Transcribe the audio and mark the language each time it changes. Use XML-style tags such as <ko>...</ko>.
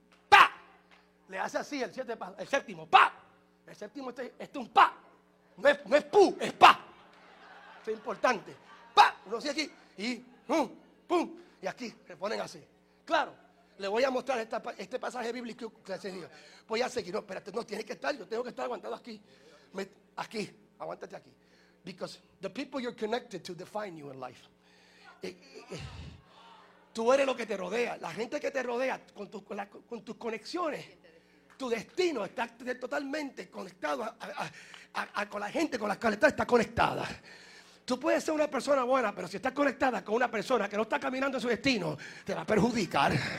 <es>¡Pa! Le hace así el 7 pasos. El séptimo, ¡pa! El séptimo, este es un ¡pa! No es ¡pu! Es ¡pa! Esto es importante. ¡Pa! Uno sigue aquí y ¡pum! ¡Pum! Y aquí se ponen así. Claro. Le voy a mostrar este pasaje bíblico que se dice. Voy a seguir. No, espérate, no tiene que estar. Yo tengo que estar aguantado aquí. Aquí, aguántate aquí.</es> <en>Because the people you're connected to define you in life.</en> <es>Tú eres lo que te rodea. La gente que te rodea con tus conexiones. Tu destino está totalmente conectado a con la gente con la cual está conectada. Tú puedes ser una persona buena, pero si estás conectada con una persona que no está caminando en su destino, te va a perjudicar.</es>